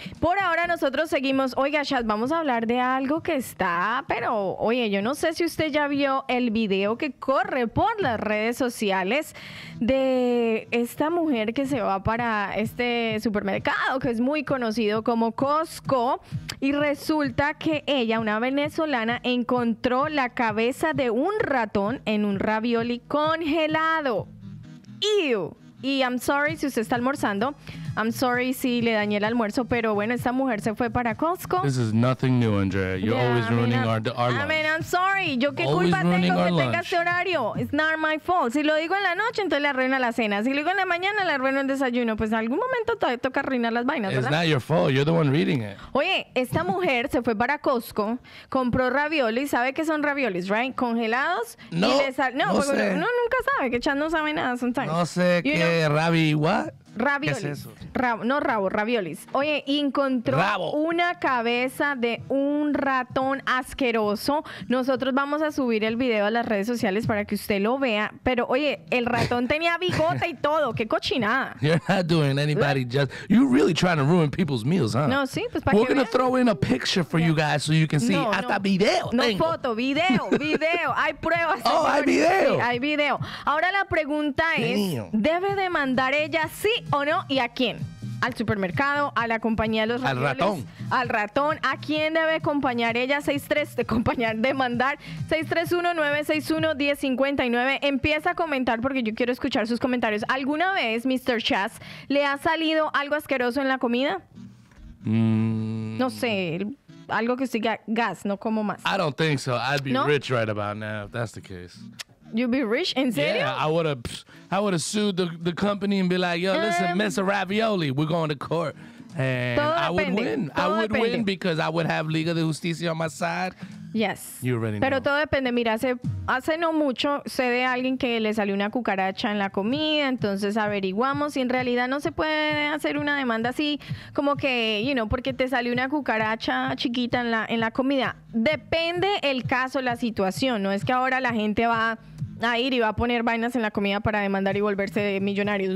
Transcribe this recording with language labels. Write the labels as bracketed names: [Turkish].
[Spanish] Por ahora nosotros seguimos. Oiga, Chas, vamos a hablar de algo que está, pero, oye, yo no sé si usted ya vio el video que corre por las redes sociales de esta mujer que se va para este supermercado que es muy conocido como Costco, y resulta que ella, una venezolana, encontró la cabeza de un ratón en un ravioli congelado. ¡Ew! Y [English] I'm sorry [Spanish] si usted está almorzando, I'm sorry si le dañé el almuerzo, pero bueno, esta mujer se fue para Costco. [English] This is nothing new, Andrea. You're always ruining our lunch. I mean, I'm sorry. [Spanish] Yo qué culpa tengo que tenga este horario. [English] It's not my fault. [Spanish] Si lo digo en la noche, entonces le arruino la cena. Si lo digo en la mañana, le arruino el desayuno. Pues en algún momento toca arruinar las vainas, ¿verdad? [English] It's not your fault. You're the one reading it. [Spanish] Oye, esta mujer se fue para Costco, compró raviolis. ¿Sabe qué son raviolis, [English] right? [Spanish] ¿Congelados? No, y no sé. Uno nunca sabe. Que Chan no sabe nada. [English] Sometimes. [Spanish] No sé qué ravi, [English] what? [Spanish] Raviolis. ¿Qué es eso? Raviolis. Oye, encontró una cabeza de un ratón asqueroso. Nosotros vamos a subir el video a las redes sociales para que usted lo vea. Pero, oye, el ratón tenía bigote y todo. ¡Qué cochinada! [English] You're not doing anybody just... You're really trying to ruin people's meals, huh? [Spanish] No, sí, pues para que [English] we're going to throw in a picture for you guys so you can see. [Spanish] No, hasta video no tengo. Foto, video. Hay pruebas. Oh, hay video. Sí, hay video. Ahora la pregunta es, ¿debe demandar ella sí o no? ¿Y a quién? ¿Al supermercado, a la compañía de los ratones? Al ratón. Al ratón. ¿A quién debe acompañar ella? 63 demandar 631-961-1059. Empieza a comentar porque yo quiero escuchar sus comentarios. ¿Alguna vez, Mr. Chas, le ha salido algo asqueroso en la comida? No sé, algo que siga gas, no como más. [English] I don't think so. I'd be rich right about now if that's the case. You'd be rich? [Spanish] ¿En serio? [English] Yeah, I would have sued the company and be like, yo, listen, Mr. Ravioli, we're going to court. And I would win. I would win because I would have Liga de Justicia on my side. Yes. You already know. [Spanish] Pero todo depende. Mira, hace no mucho sé de alguien que le salió una cucaracha en la comida, entonces averiguamos si en realidad no se puede hacer una demanda así, como que, [English] you know, [Spanish] porque te salió una cucaracha chiquita en la comida. Depende el caso, la situación. No es que ahora la gente va a ir y va a poner vainas en la comida para demandar y volverse millonarios.